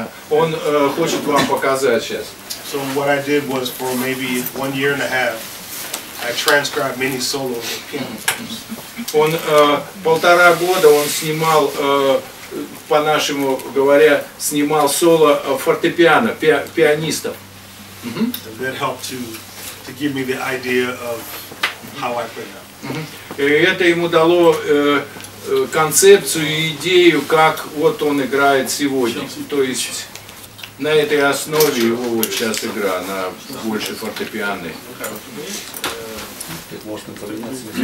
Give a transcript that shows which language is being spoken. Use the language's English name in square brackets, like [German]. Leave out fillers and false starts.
[Russian] Он хочет вам показать сейчас. [English] So what I did was for maybe 1 year and a half, I transcribed many solos of piano. [Russian] Он полтора года он снимал, по нашему говоря, снимал соло фортепиано пианистов. [English] That helped to give me the idea of how I play now. [Russian] Это ему дало концепцию и идею, как вот он играет сегодня. То есть на этой основе его вот сейчас игра, она больше фортепианной. Можно поменять.